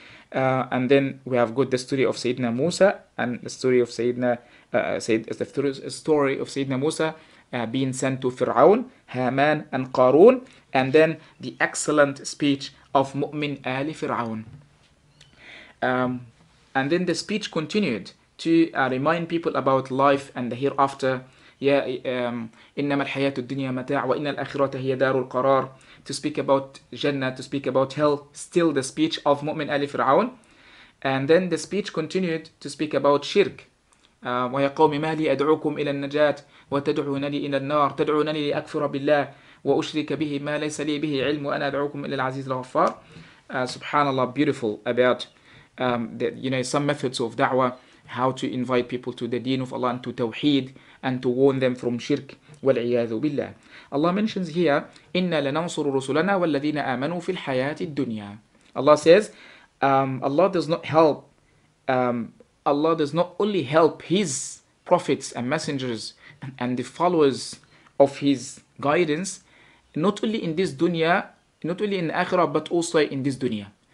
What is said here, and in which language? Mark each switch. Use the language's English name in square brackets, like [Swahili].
[English] And then we have got the story of Sayyidina Musa and the story of Sayyidina Musa being sent to Fir'aun, Haman and Qarun, and then the excellent speech of Mu'min Ali Fir'aun. And then the speech continued to remind people about life and the hereafter. [Arabic] إنما الحياة الدنيا متاع وإن الآخرة هي دار القرار. [English] To speak about Jannah, to speak about hell, still the speech of Mu'min Ali Fir'aun. And then the speech continued to speak about shirk. [Arabic] ويا قوم ما لي أدعوكم إلى النجاة وتدعونني إلى النار تدعونني لأكفر بالله وأشرك به ما ليس لي به علم وأنا أدعوكم إلى العزيز الغفار. سبحان الله, [English] beautiful about some methods of da'wah. how to invite people to the deen of Allah and to tawheed and to warn them from shirk. [Arabic] وَالْعِيَاذُ بِاللَّهِ [English] Allah mentions here, [Arabic] إِنَّا لَنَنصُرُ رُسُلَنَا وَالَّذِينَ آمَنُوا فِي الْحَيَاةِ الدُّنْيَا [English] Allah says, Allah does not help, Allah does not only help His prophets and messengers and the followers of His guidance, not only in this dunya, not only in the akhirah, but also in this dunya.